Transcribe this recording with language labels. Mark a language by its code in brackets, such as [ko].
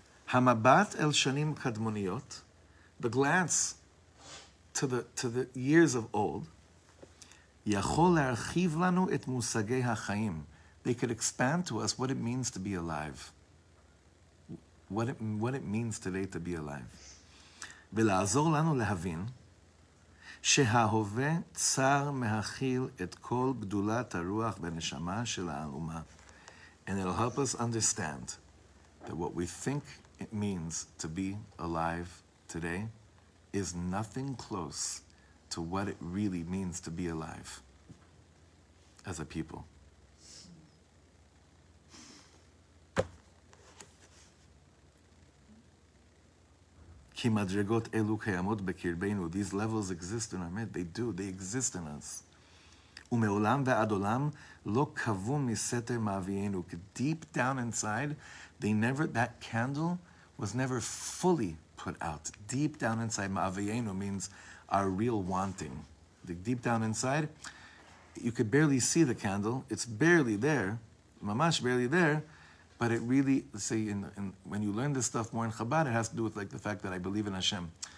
[he] Hamabat el shanim kadmoniot, [en] the glance to the years of old, [he] yachol l'archiv lanu et musagei ha-chaim, [en] they could expand to us what it means to be alive. What it means today to be alive. [he] V'la'azor lanu lehavin, שההווה צר מהכיל את כל גדולת הרוח והנשמה של האומה. [en] And it'll help us understand that what we think it means to be alive today is nothing close to what it really means to be alive as a people. [he] כי מדרגות אלו קיימות בקרבנו. [en] These levels exist in our midst. They do. They exist in us. [he] ומעולם ועד עולם לא קבו מסתר מאביינו. [en] Deep down inside, that candle was never fully put out. Deep down inside, מאביינו means our real wanting. Deep down inside, you could barely see the candle. It's barely there, ממש barely there. But it really, say, in when you learn this stuff more in Chabad, it has to do with like the fact that I believe in Hashem.